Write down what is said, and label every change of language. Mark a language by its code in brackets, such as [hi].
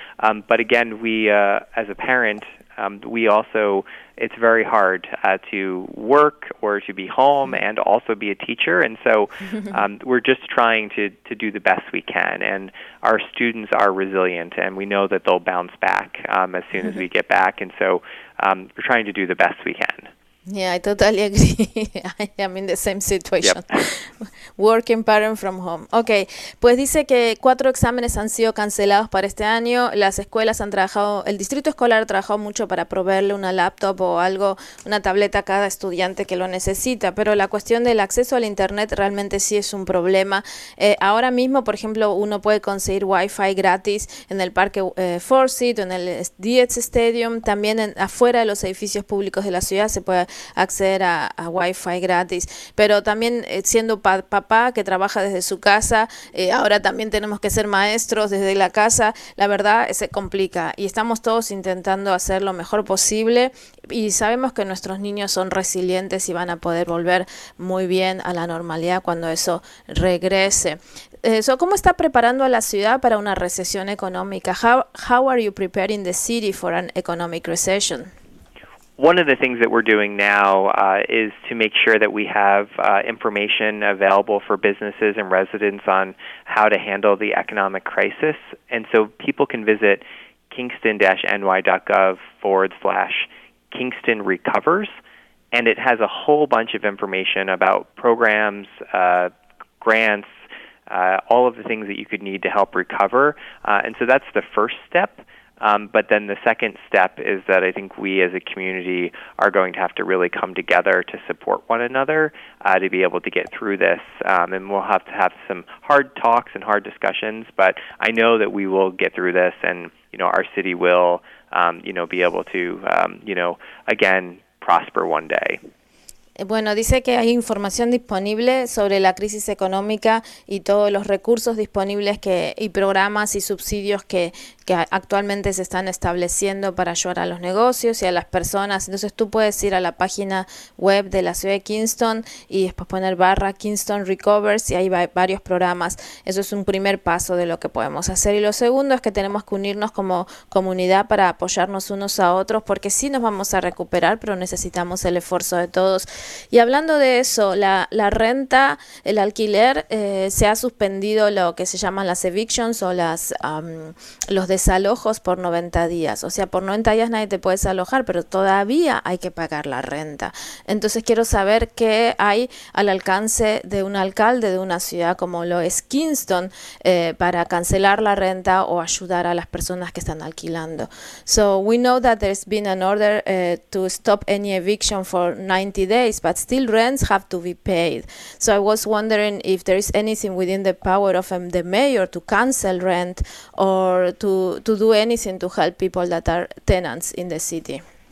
[en] But again, we as a parent, we also, it's very hard to work or to be home and also be a teacher, and so we're just trying to do the best we can, and our students are resilient, and we know that they'll bounce back as soon as we get back, and so we're trying to do the best we can. Yeah, I totally agree. I am in the same situation. Yep. Working parent from home. [es] Okay, pues dice que 4 exámenes han sido cancelados para este año. Las escuelas han trabajado, el distrito escolar ha trabajado mucho para proveerle una laptop o algo, una tableta a cada estudiante que lo necesita. Pero la cuestión del acceso al internet realmente sí es un problema. Ahora mismo, por ejemplo, uno puede conseguir Wi-Fi gratis en el parque Forsyth, en el Dietz Stadium. También afuera de los edificios públicos de la ciudad se puede acceder a Wi-Fi gratis, pero también siendo papá que trabaja desde su casa, ahora también tenemos que ser maestros desde la casa, la verdad se complica y estamos todos intentando hacer lo mejor posible y sabemos que nuestros niños son resilientes y van a poder volver muy bien a la normalidad cuando eso regrese. So, ¿cómo está preparando a la ciudad para una recesión económica? [en] How are you preparing the city for an economic recession? One of the things that we're doing now is to make sure that we have information available for businesses and residents on how to handle the economic crisis. And so people can visit kingston-ny.gov/KingstonRecovers, and it has a whole bunch of information about programs, grants, all of the things that you could need to help recover. And so that's the first step. But then the second step is that I think we as a community are going to have to really come together to support one another to be able to get through this. And we'll have to have some hard talks and hard discussions, but I know that we will get through this and, you know, our city will, be able to, again, prosper one day. [es] Bueno, dice que hay información disponible sobre la crisis económica y todos los recursos disponibles que y programas y subsidios que actualmente se están estableciendo para ayudar a los negocios y a las personas. Entonces tú puedes ir a la página web de la ciudad de Kingston y después poner /KingstonRecovers y ahí va, varios programas. Eso es un primer paso de lo que podemos hacer. Y lo segundo es que tenemos que unirnos como comunidad para apoyarnos unos a otros porque sí nos vamos a recuperar, pero necesitamos el esfuerzo de todos. Y hablando de eso, la renta, el alquiler, se ha suspendido lo que se llaman las evictions o las los desalojos por 90 días. O sea, por 90 días nadie te puede desalojar, pero todavía hay que pagar la renta. Entonces quiero saber qué hay al alcance de un alcalde de una ciudad como lo es Kingston para cancelar la renta o ayudar a las personas que están alquilando. [en] So we know that there's been an order to stop any eviction for 90 days. But still rents have to be paid. So I was wondering if there is anything within the power of the mayor to cancel rent or to do anything to help people that are tenants in the city.